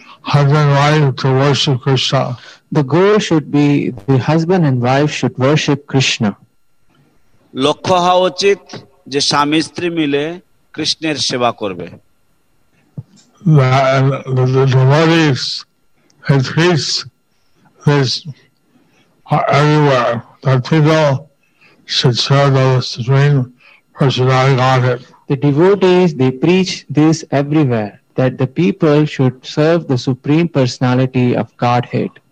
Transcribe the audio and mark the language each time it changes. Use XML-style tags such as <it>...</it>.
<en>Husband and wife to worship Krishna. The goal should be the husband and wife should worship Krishna.</en> <bn>লক্ষ্য হওয়া উচিত যে স্বামী স্ত্রী মিলে কৃষ্ণের সেবা করবে।</bn> <en>The devotees, the priests, this everywhere, the people should serve the Supreme Personality of Godhead. The devotees, they preach this everywhere. That the people should serve the Supreme Personality of Godhead.</en>